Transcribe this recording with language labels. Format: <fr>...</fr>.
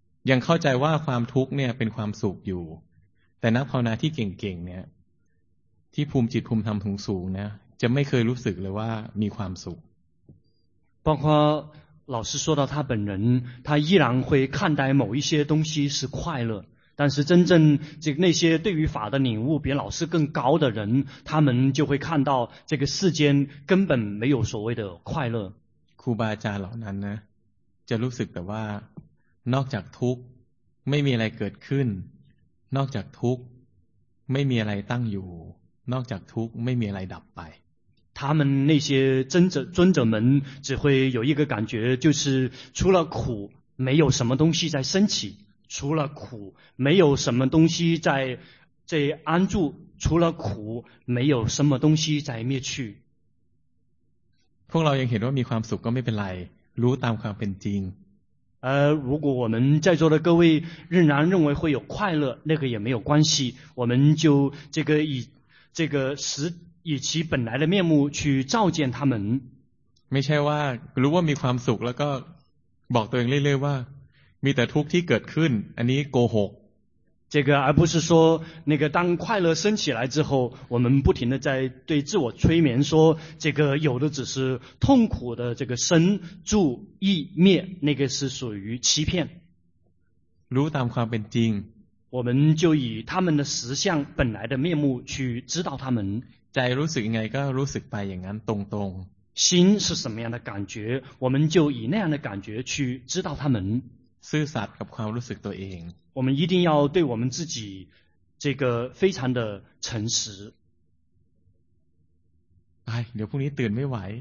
<th>ยังเข้าใจว่าความทุกข์เนี่ยเป็นความสุขอยู่แต่นักภาวนาที่เก่งๆเนี่ยที่ภูมิจิตภูมิธรรมสูงๆนะจะไม่เคยรู้สึกเลยว่ามีความสุข</th> <zh>包括老师说到他本人他依然会看待某一些东西是快乐但是真正这个那些对于法的领悟比老师更高的人他们就会看到这个世间根本没有所谓的快乐</zh> <th>ครูบาอาจารย์เหล่านั้นนะจะรู้สึกแต่ว่านอกจากทุกข์ไม่มีอะไรเกิดขึ้นนอกจากทุกข์ไม่มีอะไรตั้งอยู่นอกจากทุกข์ไม่มีอะไรดับไป</th> <zh>他们那些尊者们只会有一个感觉就是除了苦没有什么东西在升起除了苦没有什么东西在这安住除了苦没有什么东西在灭去</zh> <th>พวกเรายังเห็นว่ามีความสุขก็ไม่เป็นไรรู้ตามความเป็นจริง</th> <zh>如果我们在座的各位仍然认为会有快乐那个也没有关系我们就这个以这个实以其本来的面目去照见他们</zh> <th>ไม่ใช่ว่ารู้ว่ามีความสุขแล้วก็บอกตัวเองเรื่อยๆว่ามีแต่ทุกข์ที่เกิดขึ้นอันนี้โกหก</th> <zh>这个而不是说那个当快乐升起来之后我们不停的在对自我催眠说这个有的只是痛苦的这个生住意灭那个是属于欺骗</zh> <th>รู้ตามความเป็นจริง</th> <zh>我们就以他们的实相本来的面目去知道他们</zh> <th>ใจรู้สึกยังไงก็รู้สึกไปอย่างนั้นตรง</th> <zh>ๆ心是什么样的感觉我们就以那样的感觉去知道他们</zh> <th>ซื่อสัตย์กับความรู้สึกตัวเอง</th> <zh>我们一定要对我们自己这个非常的诚实</zh> <th>哎เดี๋ยวพรุ่งนี้ตื่นไม่ไหว</th>